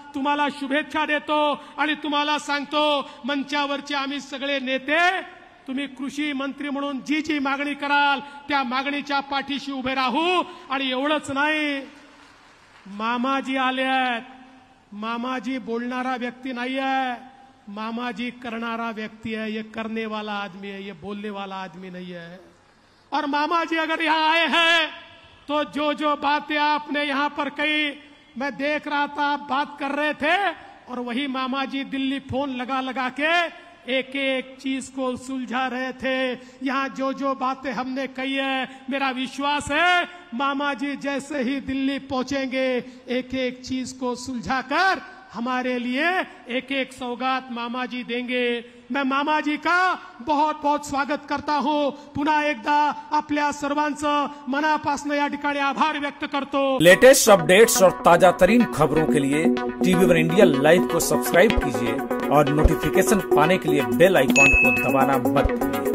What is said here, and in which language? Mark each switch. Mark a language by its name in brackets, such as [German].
[Marathi] तुम्हाला शुभेच्छा देतो आणि तुम्हाला सांगतो, मंचावरचे आम्ही सगळे नेते, तुम्ही कृषी मंत्री म्हणून जी जी मागणी कराल त्या मागणीच्या पाठीशी उभे राहू. आणि एवढंच नाही, मामाजी आले आहेत. मामाजी बोलणारा व्यक्ती नाही आहे, मामाजी करणारा व्यक्ती आहे. [Hindi] ये करणे वाला आदमी आहे, ये बोलणे वाला आदमी नाही आहे. और मामाजी अगर यहां आए हैं तो जो जो बातें आपने यहां पर कही, मैं देख रहा था आप बात कर रहे थे और वही मामाजी दिल्ली फोन लगा लगा के एक एक चीज को सुलझा रहे थे. यहां जो जो बातें हमने कही है, मेरा विश्वास है मामा जी जैसे ही दिल्ली पहुंचेंगे एक एक चीज को सुलझाकर हमारे लिए एक एक सौगात मामा जी देंगे. मैं मामा जी का बहुत बहुत स्वागत करता हूँ. [Marathi] पुन्हा एकदा आपल्या सर्वांचं मनापासून या ठिकाणी आभार व्यक्त करतो. [Hindi] लेटेस्ट अपडेट्स और ताजा तरीन खबरों के लिए टीवी वन इंडिया लाइव को सब्सक्राइब कीजिए और नोटिफिकेशन पाने के लिए बेल आइकॉन को दबाना मत भूलिए.